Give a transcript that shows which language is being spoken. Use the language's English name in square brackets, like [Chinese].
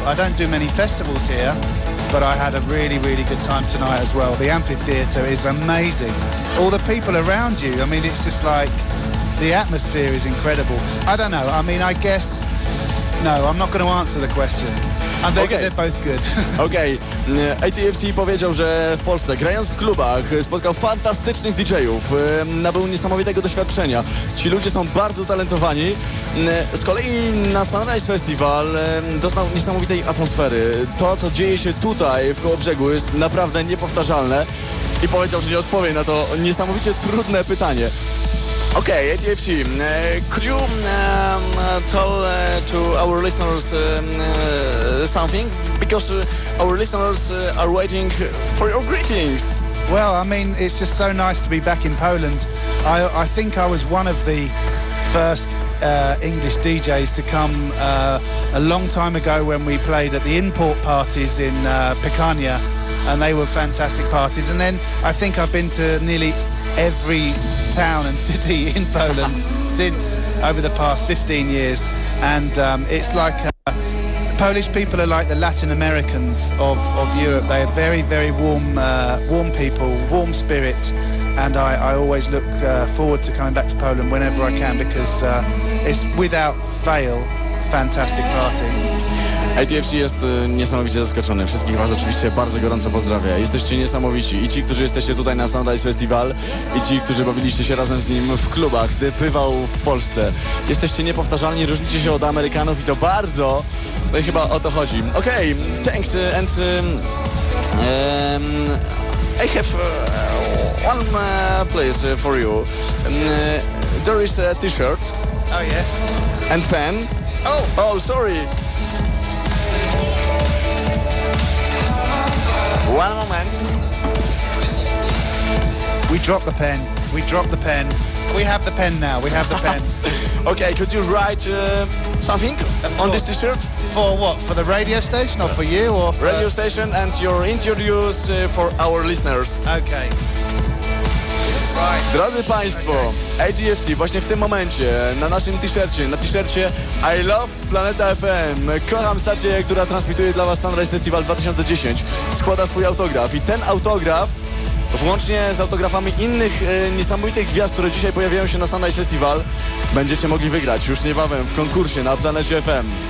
[English] I don't do many festivals here, but I had a really, really good time tonight as well. The amphitheater is amazing. All the people around you, I mean, it's just like, the atmosphere is incredible. I don't know, I mean, I guess, no, I'm not going to answer the question. And they're both good. [Polish] Okay, ATFC powiedział, że w Polsce, grając w klubach, spotkał fantastycznych DJ-ów, nabył niesamowitego doświadczenia. Ci ludzie są bardzo talentowani. Z kolei na Sunrise Festival doznał niesamowitej atmosfery. To, co dzieje się tutaj w Kołobrzegu, jest naprawdę niepowtarzalne. I powiedział, że nie odpowie na to niesamowicie trudne pytanie. [English] Okay, ATFC, could you tell to our listeners something? Because our listeners are waiting for your greetings. Well, I mean, it's just so nice to be back in Poland. I think I was one of the first English DJs to come a long time ago when we played at the import parties in Pekania, and they were fantastic parties. And then I think I've been to nearly every town and city in Poland since over the past 15 years, and it's like Polish people are like the Latin Americans of Europe. They are very, very warm, warm people, warm spirit, and I always look forward to coming back to Poland whenever I can, because it's without fail fantastic party. [Polish] ATFC jest niesamowicie zaskoczony. Wszystkich was oczywiście bardzo gorąco pozdrawia. Jesteście niesamowici. I ci, którzy jesteście tutaj na Sunrise Festival, i ci, którzy bawiliście się razem z nim w klubach, gdy bywał w Polsce. Jesteście niepowtarzalni, różnicie się od Amerykanów i to bardzo. No i chyba o to chodzi. [English] Okej, okay, thanks and I have one place for you. There is a t-shirt. Oh yes. And pen. Oh, sorry. One moment. We dropped the pen. We dropped the pen. We have the pen now. We have the pen. Okay, could you write something on this t-shirt? For what? For the radio station or for you? Or for... Radio station and your interviews for our listeners. Okay. [Polish] Drodzy Państwo, ATFC właśnie w tym momencie na naszym t-shircie, na t-shircie I Love Planeta FM, kocham stację, która transmituje dla was Sunrise Festival 2010, składa swój autograf i ten autograf, włącznie z autografami innych niesamowitych gwiazd, które dzisiaj pojawiają się na Sunrise Festival, będziecie mogli wygrać już niebawem w konkursie na Planecie FM.